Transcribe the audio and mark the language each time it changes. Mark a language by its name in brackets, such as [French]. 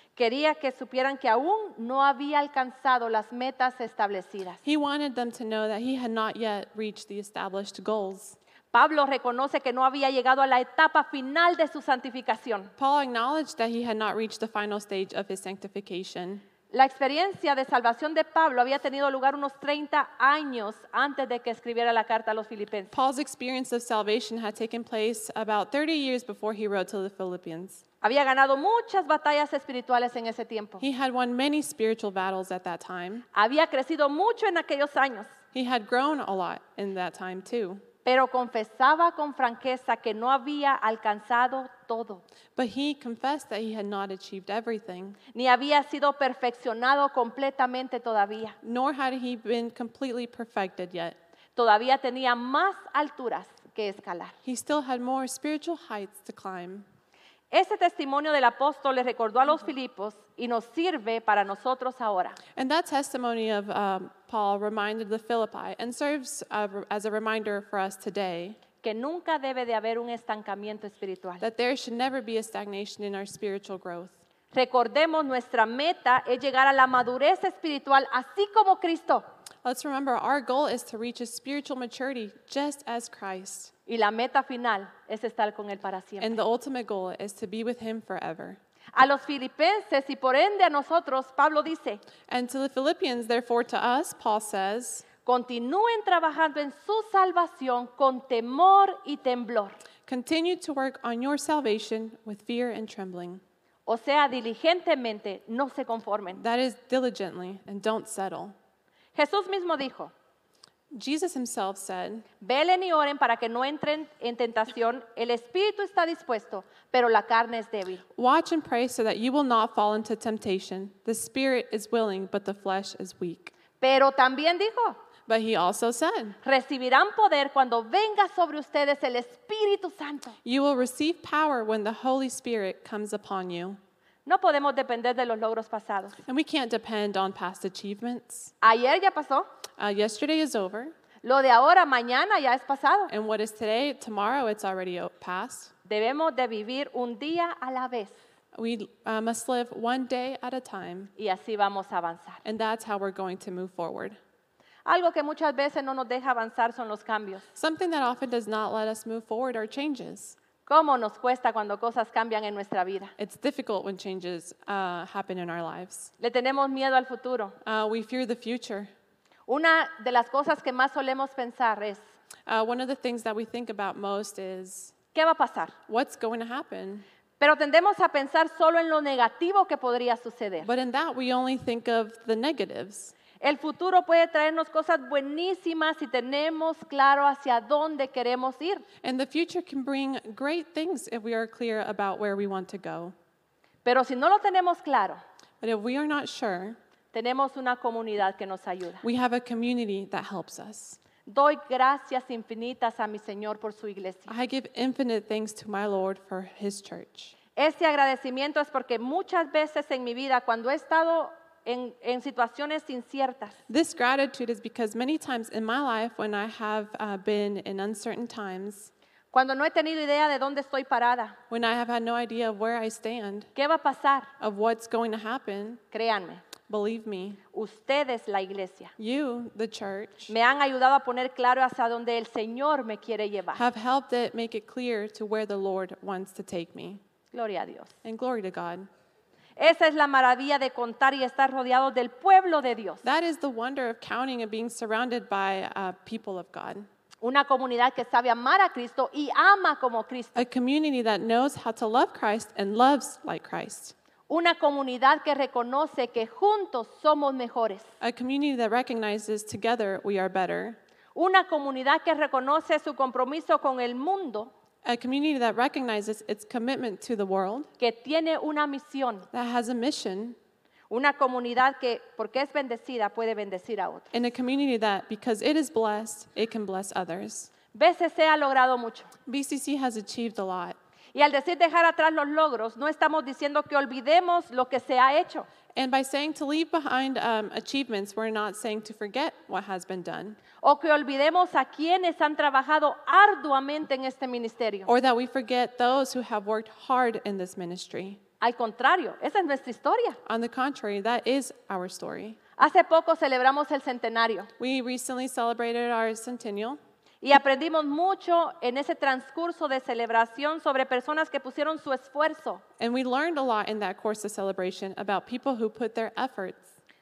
[Spanish] Quería que supieran que aún no había alcanzado las metas establecidas. [English] He wanted them to know that he had not yet reached the established goals. [Spanish] Pablo reconoce que no había llegado a la etapa final de su santificación. [English] Paul acknowledged that he had not reached the final stage of his sanctification. [Spanish] La experiencia de salvación de Pablo había tenido lugar unos 30 años antes de que escribiera la carta a los Filipenses. [English] Paul's experience of salvation had taken place about 30 years before he wrote to the Philippians. [Spanish] Había ganado muchas batallas espirituales en ese tiempo. [English] He had won many spiritual battles at that time. [Spanish] Había crecido mucho en aquellos años. [English] He had grown a lot in that time too. [Spanish] Pero confesaba con franqueza que no había alcanzado todo. [English] But he confessed that he had not achieved everything. [Spanish] Ni había sido perfeccionado completamente todavía. [English] Nor had he been completely perfected yet. [Spanish] Todavía tenía más alturas que escalar. [English] He still had more spiritual heights to climb. [Spanish] Ese testimonio del apóstol le recordó a los Filipos y nos sirve para nosotros ahora. [English] And that testimony of Paul reminded the Philippi and serves as a reminder for us today. [Spanish] Que nunca debe de haber un estancamiento espiritual. [English] That there should never be a stagnation in our spiritual growth. [Spanish] Recordemos, nuestra meta es llegar a la madurez espiritual así como Cristo. [English] Let's remember, our goal is to reach a spiritual maturity just as Christ. [Spanish] Y la meta final es estar con Él para siempre. [English] And the ultimate goal is to be with Him forever. [Spanish] A los filipenses y por ende a nosotros, Pablo dice. [English] And to the Philippians, therefore to us, Paul says. [Spanish] Continúen trabajando en su salvación con temor y temblor. [English] Continue to work on your salvation with fear and trembling. [Spanish] O sea, diligentemente, no se conformen. [English] That is, diligently, and don't settle. [Spanish] Jesús mismo dijo. [English] Jesus himself said, [Spanish] velen y oren para que no entren en tentación. El espíritu está dispuesto, pero la carne es débil. [English] Watch and pray so that you will not fall into temptation. The spirit is willing, but the flesh is weak. [Spanish] Pero también dijo, [English] but he also said, [Spanish] recibirán poder cuando venga sobre ustedes el Espíritu Santo. [English] You will receive power when the Holy Spirit comes upon you. [Spanish] No podemos depender de los logros pasados. [English] And we can't depend on past achievements. [Spanish] Ayer ya pasó. [English] Yesterday is over. [Spanish] Lo de ahora, mañana ya es pasado. [English] And what is today, tomorrow, it's already past. [Spanish] Debemos de vivir un día a la vez. [English] We must live one day at a time. [Spanish] Y así vamos a avanzar. [English] And that's how we're going to move forward. [Spanish] Algo que muchas veces no nos deja avanzar son los cambios. [English] Something that often does not let us move forward are changes. [Spanish] ¿Cómo nos cuesta cuando cosas cambian en nuestra vida? [English] It's difficult when changes happen in our lives. [Spanish] Le tenemos miedo al futuro. [English] We fear the future. [Spanish] Una de las cosas que más solemos pensar es, [English] one of the things that we think about most is, [Spanish] ¿qué va a pasar? [English] What's going to happen? [Spanish] Pero tendemos a pensar solo en lo negativo que podría suceder. [English] But in that we only think of the negatives. [Spanish] El futuro puede traernos cosas buenísimas si tenemos claro hacia dónde queremos ir. [English] And the future can bring great things if we are clear about where we want to go. [Spanish] Pero si no lo tenemos claro, [English] but if we are not sure, [Spanish] tenemos una comunidad que nos ayuda. [English] We have a community that helps us. [Spanish] Doy gracias infinitas a mi Señor por su iglesia. [English] I give infinite thanks to my Lord for his church. [Spanish] Este agradecimiento es porque muchas veces en mi vida, cuando he estado en situaciones inciertas, [English] this gratitude is because many times in my life when I have been in uncertain times, [Spanish] cuando no he tenido idea de dónde estoy parada, [English] when I have had no idea of where I stand, [Spanish] qué va a pasar, [English] of what's going to happen, [Spanish] créanme, [English] believe me, [Spanish] ustedes la iglesia, [English] you the church, [Spanish] me han ayudado a poner claro hacia dónde el Señor me quiere llevar, [English] have helped it make it clear to where the Lord wants to take me. [Spanish] Gloria a Dios. [English] And glory to God. [Spanish] Esa es la maravilla de contar y estar rodeado del pueblo de Dios. [English] That is the wonder of counting and being surrounded by a people of God. [Spanish] Una comunidad que sabe amar a Cristo y ama como Cristo. [English] A community that knows how to love Christ and loves like Christ. [Spanish] Una comunidad que reconoce que juntos somos mejores. [English] A community that recognizes together we are better. [Spanish] Una comunidad que reconoce su compromiso con el mundo. [English] A community that recognizes its commitment to the world. [Spanish] Que tiene una misión. [English] That has a mission. [Spanish] Una comunidad que, porque es bendecida, puede bendecir a otros. [English] And a community that, because it is blessed, it can bless others. [Spanish] BCC ha logrado mucho. [English] BCC has achieved a lot. [Spanish] Y al decir dejar atrás los logros, no estamos diciendo que olvidemos lo que se ha hecho. [English] And by saying to leave behind achievements, we're not saying to forget what has been done. [Spanish] O que olvidemos a quienes han trabajado arduamente en este ministerio. [English] Or that we forget those who have worked hard in this ministry. [Spanish] Al contrario, esa es nuestra historia. [English] On the contrary, that is our story. [Spanish] Hace poco celebramos el centenario. [English] We recently celebrated our centennial. [Spanish] Y aprendimos mucho en ese transcurso de celebración sobre personas que pusieron su esfuerzo. [English] And we learned a lot in that course of celebration about people who put their efforts.